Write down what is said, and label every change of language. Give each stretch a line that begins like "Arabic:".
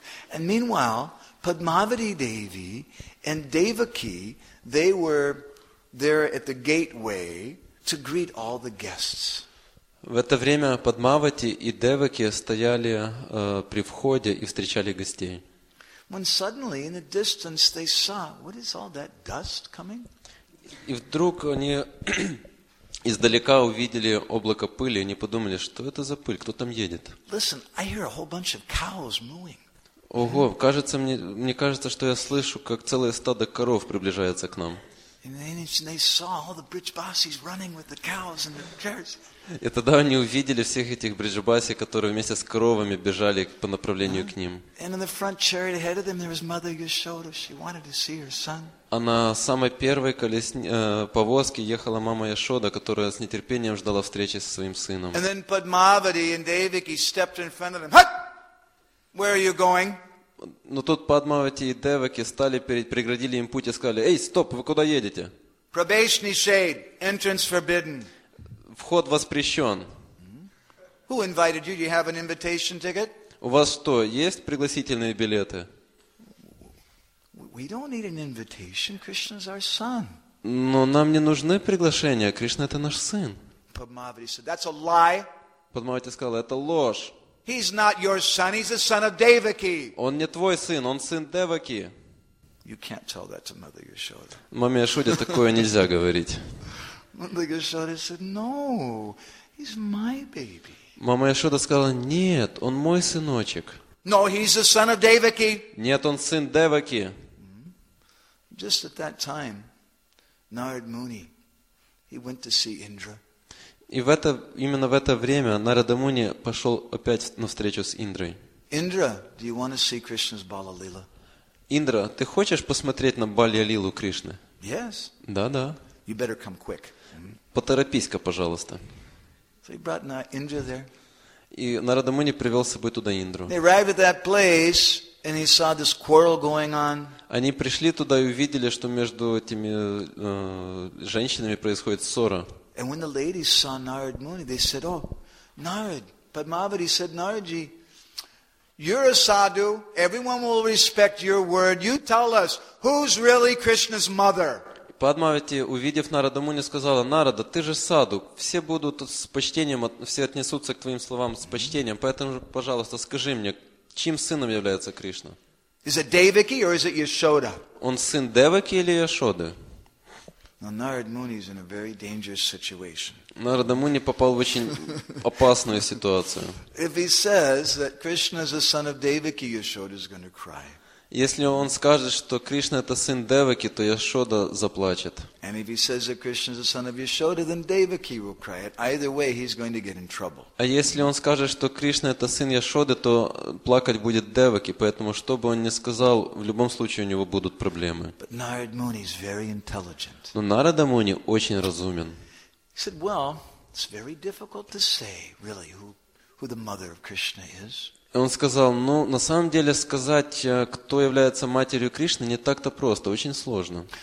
English: And meanwhile, Padmavati Devi and Devaki, they were there at the gateway to greet all the guests.
Russian: В это время Падмавати и Деваки стояли при входе и встречали гостей.
English: When suddenly in the distance they saw, what is all that dust coming?
Russian: И вдруг они издалека увидели облако пыли, и они подумали, что это за пыль, кто там едет?
English: Listen, I hear a whole bunch of cows mooing.
Russian: Ого, мне кажется, что я слышу, как целое стадо коров приближается к нам.
English: And then they saw all the Brijbasis running with the cows and the carriages.
Russian: И тогда они увидели всех этих бриджбаси, которые вместе с коровами бежали по направлению к ним. А на самой первой повозке ехала мама Яшода, которая с нетерпением ждала встречи со своим сыном.
English: And then Padmavati and Devaki stepped in front of them. Hut! Where are you going?
Russian: Но тут Падмавати и Деваки стали преградили им путь и сказали: «Эй, стоп, вы куда едете?»
English: Prabhashni shade, entrance forbidden.
Russian: Вход воспрещен.
English: Who invited you? Do you have an invitation ticket?
Russian: У вас что, есть пригласительные билеты?
English: We don't need an invitation. Krishna's our son.
Russian: Но нам не нужны приглашения. Кришна — это наш сын.
English: Padmavati said, "That's a lie."
Russian: Падмавати сказал: "Это ложь."
English: He's not your son. He's the son of Devaki.
Russian: Он не твой сын. Он сын Деваки.
English: You can't tell that to Mother Yashoda.
Russian: Маме Яшоде такое нельзя говорить.
English: Mother Yashoda said, "No, he's my baby."
Russian: Мама Яшода сказала: "Нет, он мой сыночек."
English: No, he's the son of Devaki.
Russian: Нет, он сын Деваки.
English: Just at that time, Narad Muni, he went to see Indra.
Russian: И именно в это время Нарада Муни пошел опять на встречу с Индрой.
English: Indra, do you want to see Krishna's Balalila?
Russian: Индра, ты хочешь посмотреть на Балалилу Кришны?
English: Yes.
Russian: Да, да.
English: You better come quick.
Russian: Поторопись-ка, пожалуйста.
English: So he brought Indra there.
Russian: И Нарада Муни привел с собой туда Индру.
English: They arrived at that place and he saw this quarrel going on.
Russian: Они пришли туда и увидели, что между этими женщинами происходит ссора.
English: And when the ladies saw Narad Muni, they said, "Oh, Narad." Padmavati said, "Naradji, you're a sadhu. Everyone will respect your word. You tell us who's really Krishna's mother."
Russian: Padmavati, увидев Нарада Муни, сказала: "Нарада, ты же саду. Все будут с почтением, все отнесутся к твоим словам с почтением. Поэтому, пожалуйста, скажи мне, чьим сыном является Кришна?
English: Is it Devaki or is it Yashoda?"
Russian: Он сын Деваки или Яшоды?
English: Now, Narad Muni is in a very dangerous situation.
Russian: Нарада Муни попал в очень опасную ситуацию.
English: If he says that Krishna is the son of Devaki, Yashoda is going to cry. Если он скажет, что Кришна это сын Деваки, то Яшода заплачет. And if he says that Krishna is the son of Yashoda, then Devaki will cry it. Either way, he's going to get in trouble.
Russian: А если он скажет, что Кришна это сын Яшоды, то плакать будет Деваки. Поэтому, что бы он ни сказал, в любом случае у него будут проблемы.
English: But Narada Muni is very intelligent.
Russian: Но Нарада Муни очень разумен.
English: He said, "Well, it's very difficult to say, really, who the mother of Krishna is."
Russian: Он сказал, ну, на самом деле, сказать, кто является матерью Кришны, не так-то просто, очень сложно.